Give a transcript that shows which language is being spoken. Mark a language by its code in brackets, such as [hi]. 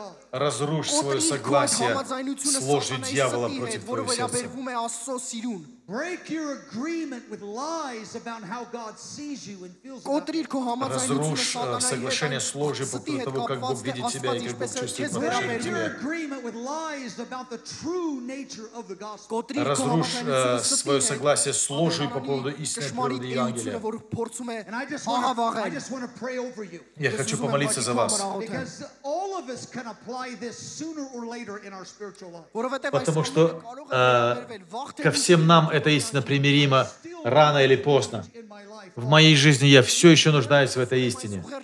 [ru] Разрушь свое согласие с ложью дьявола против твоего сердца. [en] Break your agreement with lies about how God sees you and feels about you. [ru] Разрушь соглашение с ложью по поводу того, как Бог видит тебя и как Бог чувствует по отношению к тебе. [en] Break your agreement with lies about the true nature of the gospel. [ru] Разрушь свое согласие с ложью по поводу истинной природы Евангелия. [en] And I just want to pray over you. [ru] Я хочу помолиться за вас. [en] Because all of us can apply this sooner or later in our spiritual life. [ru] Потому что ко всем нам эта истина примирима рано или поздно. В моей жизни я все еще нуждаюсь в этой истине.